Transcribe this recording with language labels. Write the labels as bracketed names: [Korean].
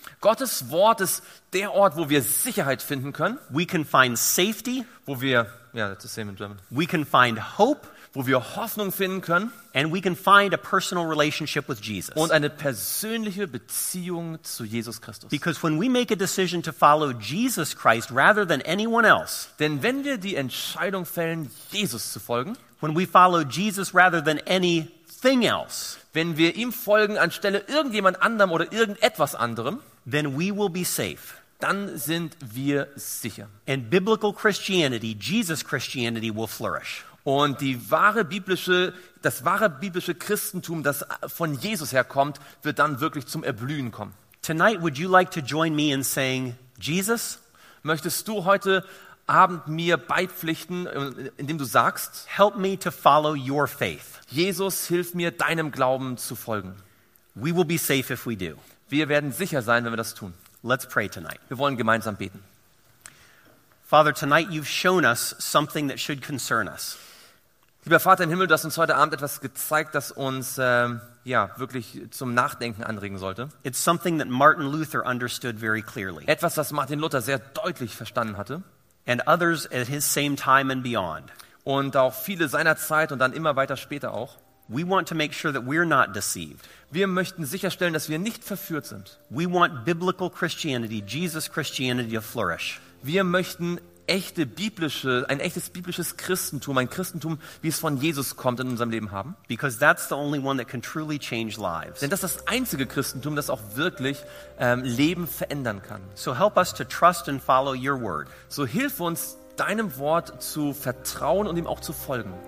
[German] Gottes Wort ist der Ort, wo wir Sicherheit finden können. [English] We can find safety, [German] wo wir, [English] yeah, that's the same in German. We can find hope, [German] wo wir Hoffnung finden können, [English] and we can find a personal relationship with Jesus. [German] Und eine persönliche Beziehung zu Jesus Christus. [English] Because when we make a decision to follow Jesus Christ rather than anyone else, [German] denn wenn wir die Entscheidung fällen, Jesus zu folgen, [English] when we follow Jesus rather than anything else, [German] wenn wir ihm folgen anstelle irgendjemand anderem oder irgendetwas anderem, [English] then we will be safe. [German] Dann sind wir sicher. [English] And biblical Christianity, Jesus Christianity will flourish. [German] Und die wahre biblische, das wahre biblische Christentum, das von Jesus herkommt, wird dann wirklich zum Erblühen kommen. [English] Tonight, would you like to join me in saying, Jesus? [German] Möchtest du heute Abend mir beipflichten, indem du sagst, [English] help me to follow your faith. [German] Jesus, hilf mir, deinem Glauben zu folgen. [English] We will be safe if we do. [German] Wir werden sicher sein, wenn wir das tun. [English] Let's pray tonight. [German] Wir wollen gemeinsam beten. [English] Father, tonight you've shown us something that should concern us. [German] Lieber Vater im Himmel, du hast uns heute Abend etwas gezeigt, das uns wirklich zum Nachdenken anregen sollte. [English] It's something that Martin Luther understood very clearly. [German] Etwas, das Martin Luther sehr deutlich verstanden hatte. [English] And others at his same time and beyond. [German] Und auch viele seiner Zeit und dann immer weiter später auch. [English] We want to make sure that we're not deceived. [German] Wir möchten sicherstellen, dass wir nicht verführt sind. [English] We want biblical Christianity, Jesus Christianity to flourish. [German] Wir möchten ein echtes biblisches Christentum, ein Christentum, wie es von Jesus kommt, in unserem Leben haben. [English] Because that's the only one that can truly change lives. [German] Denn das ist das einzige Christentum, das auch wirklich Leben verändern kann. [English] So help us to trust and follow your word. [German] So hilf uns, deinem Wort zu vertrauen und ihm auch zu folgen.